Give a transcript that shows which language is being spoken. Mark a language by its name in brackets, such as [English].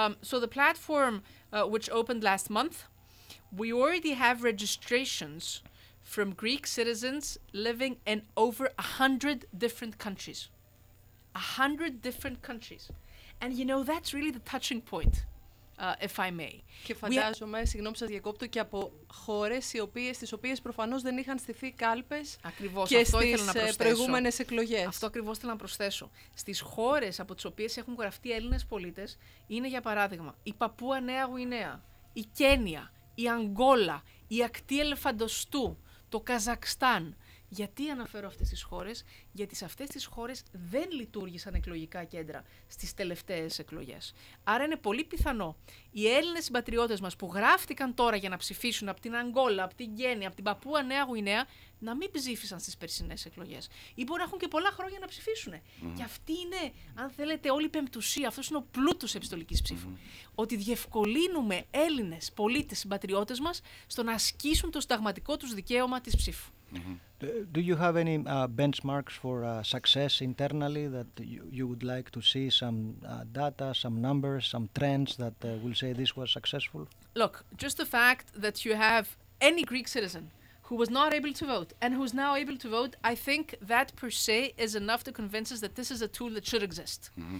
[English] So the platform, which opened last month, we already have registrations from Greek citizens living in over 100 different countries. 100 different countries. And you know, that's really the touching point. If I may. [Greek] Και φαντάζομαι, συγγνώμη σας διακόπτω, και από χώρες τις οποίες προφανώς δεν είχαν στηθεί κάλπες ακριβώς, και αυτό στις προηγούμενες εκλογές. Αυτό ακριβώς ήθελα να προσθέσω. Στις χώρες από τις οποίες έχουν γραφτεί Έλληνες πολίτες είναι, για παράδειγμα, η Παππούα Νέα Γουινέα, η Κένια, η Αγγόλα, η Ακτή Ελεφαντοστού, το Καζακστάν. Γιατί αναφέρω αυτές τις χώρες? Γιατί σε αυτές τις χώρες δεν λειτουργήσαν εκλογικά κέντρα στις τελευταίες εκλογές. Άρα είναι πολύ πιθανό οι Έλληνες συμπατριώτες μας που γράφτηκαν τώρα για να ψηφίσουν από την Αγγόλα, από την Γένεια, από την Παππούα Νέα Γουινέα, να μην ψήφισαν στις περσινές εκλογές. Ή μπορεί να έχουν και πολλά χρόνια να ψηφίσουν. Και αυτή είναι, αν θέλετε, όλη η πεμπτουσία, αυτός είναι ο πλούτος επιστολικής ψήφου. Ότι διευκολύνουμε Έλληνες πολίτες συμπατριώτες μας στο να ασκήσουν το συνταγματικό τους δικαίωμα της ψήφου. [English] Do you have any benchmarks for success internally that you would like to see some data, some numbers, some trends that will say this was successful? Look, just the fact that you have any Greek citizen who was not able to vote and who is now able to vote, I think that per se is enough to convince us that this is a tool that should exist.